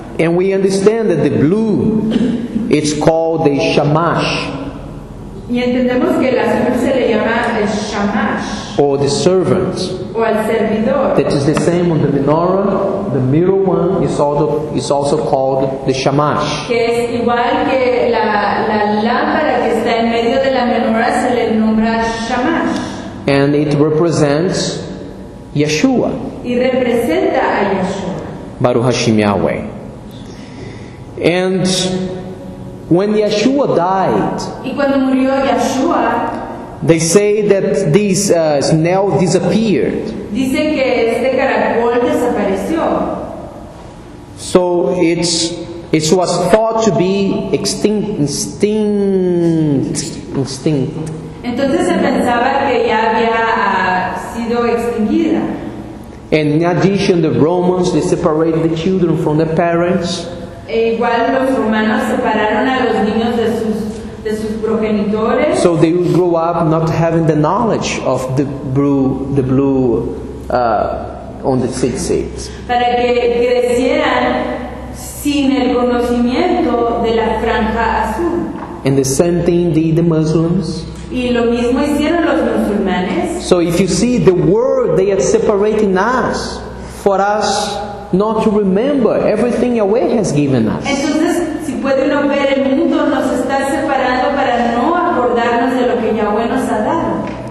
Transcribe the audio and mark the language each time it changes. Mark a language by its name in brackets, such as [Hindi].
[English] And we understand that the blue it's called the shamash. [Spanish] Y entendemos que el azul se le llama el shamash. [English] Or the servant. [Spanish] O al servidor. [English] That is the same on the menorah. The middle one is also called the shamash. [Spanish] Que es igual que la lámpara que está en medio de la menorah se le nombra shamash. [English] And it represents Yeshua. [Spanish] Y representa a Yeshua. [Hebrew] Baruch Hashem Yahweh. [English] And when Yeshua died, [Spanish] y cuando murió Yeshua, [English] they say that this snail disappeared. [Spanish] Dice que este caracol desapareció. [English] So it was thought to be extinct. [Spanish] Entonces se pensaba que ya había sido extinguida. [English] And in addition, the Romans, they separated the children from their parents. [Spanish] E igual los romanos separaron a los niños de sus progenitores. [English] So they would grow up not having the knowledge of the blue on the tzitzit. [Spanish] Para que crecieran sin el conocimiento de la franja azul. [English] And the same thing did the Muslims. [Spanish] Y lo mismo hicieron los musulmanes. [English] So if you see the word, they are separating us for us not to remember everything Yahweh has given us. [Spanish] Entonces, si puede uno ver, el mundo nos está separando para no acordarnos de lo que Yahweh nos ha dado.